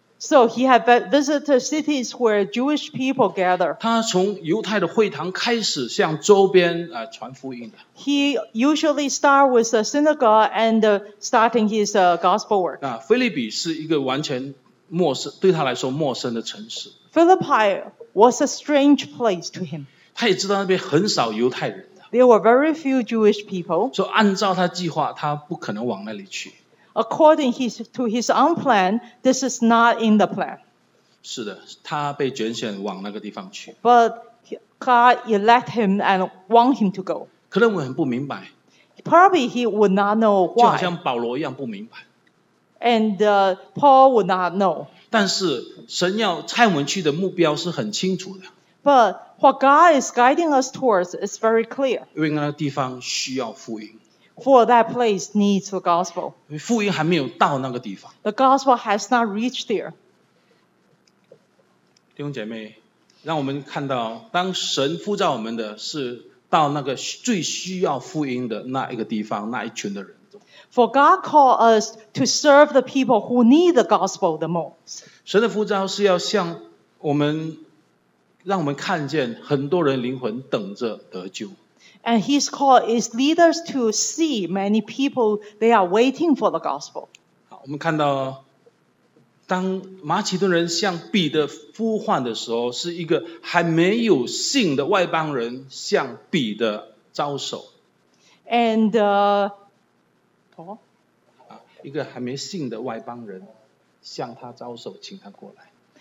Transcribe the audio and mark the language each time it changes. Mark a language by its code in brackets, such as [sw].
[en] So he had visited cities where Jewish people gather. [zh] 他从犹太的会堂开始向周边传福音的。 [en] He usually start with the synagogue and starting his gospel work. [zh] 腓立比是一个完全陌生，对他来说陌生的城市。 [en] Philippi was a strange place to him. [zh] 他也知道那边很少犹太人的。 [en] There were very few Jewish people. [zh] 所以按照他计划，他不可能往那里去。 [en] According to his own plan, this is not in the plan. [zh] 是的，他被拣选往那个地方去。 [en] But God elect him and want him to go. [zh] 可能我很不明白。 [en] Probably he would not know why. [zh] 就好像保罗一样不明白。 [en] And Paul would not know. [zh] 但是神要差我们去的目标是很清楚的。 [en] But what God is guiding us towards is very clear. [zh] 因为那个地方需要福音。 [en] For that place needs the gospel. [zh] 福音还没有到那个地方。 [en] The gospel has not reached there. [zh] 弟兄姐妹，让我们看到，当神呼召我们的是到那个最需要福音的那一个地方，那一群的人。 [en] For God called us to serve the people who need the gospel the most. [zh] 神的呼召是要向我们，让我们看见很多人灵魂等着得救。 [en] And his call is leaders to see many people, they are waiting for the gospel. [zh] 好，我们看到，当马其顿人向彼得呼唤的时候，是一个还没有信的外邦人向彼得招手。 [en] And, Paul? [zh] 一个还没信的外邦人向他招手，请他过来。